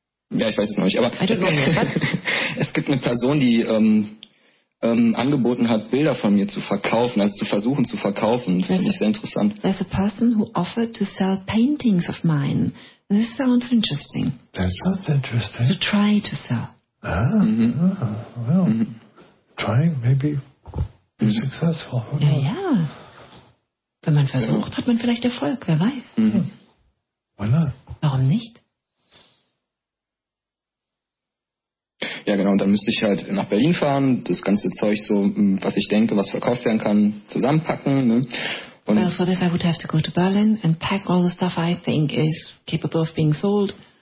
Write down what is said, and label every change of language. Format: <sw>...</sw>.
<de>Ja, ich weiß es noch nicht. Aber es gibt eine Person, die... angeboten hat, Bilder von mir zu verkaufen, also zu versuchen zu verkaufen. Das finde ich sehr interessant.</de> <en>There's a person who offered to sell paintings of mine. This sounds interesting. That sounds interesting. To try to sell. Ah, Trying maybe be successful.</en> <de>Ja, ja. Wenn man versucht, hat man vielleicht Erfolg, wer weiß.</de> <en>Mm-hmm. Why not?</en> <de>Warum nicht? Ja, genau, und dann müsste ich halt nach Berlin fahren, das ganze Zeug so, was ich denke, was verkauft werden kann, zusammenpacken. Ne? Und</de> <en>well, for this I would have to go to Berlin and pack all the stuff I think is capable of being sold.</en>